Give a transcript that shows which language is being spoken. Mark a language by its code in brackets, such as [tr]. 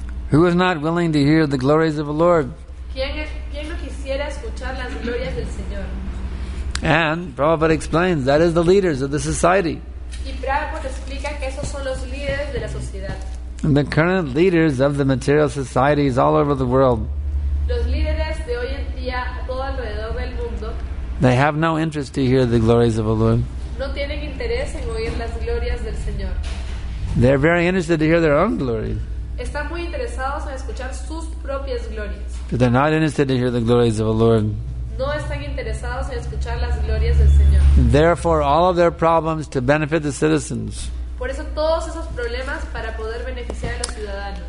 [en] who is not willing to hear the glories of the Lord? [es] ¿Quién no quisiera escuchar las glorias del Señor? [en] And Prabhupada explains, that is the leaders of the society. [es] Y Prabhupada explica que esos son los líderes de la sociedad. [en] And the current leaders of the material societies all over the world. [es] Los líderes de hoy en día, todo alrededor del mundo, [en] They have no interest to hear the glories of the Lord. [es] No tienen interés en oír las glorias del Señor. [en] They're very interested to hear their own glories. [es] Están muy interesados en escuchar sus propias glorias. [en] But they're not interested to hear the glories of the Lord. [es] No están interesados en escuchar las glorias del Señor. [en] Therefore, all of their problems to benefit the citizens. [es] Por eso todos esos problemas para poder beneficiar a los ciudadanos.